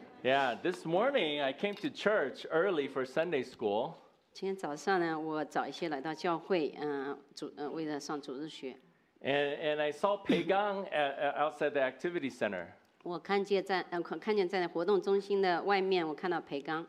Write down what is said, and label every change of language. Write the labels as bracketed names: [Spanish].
[English] Yeah, this morning I came to church early for Sunday school. [Chinese] 今天早上呢，我早一些来到教会，为了上主日学。 [English] And I saw Pei Gang outside the activity center. [Chinese] 我看见在活动中心的外面，我看到裴刚。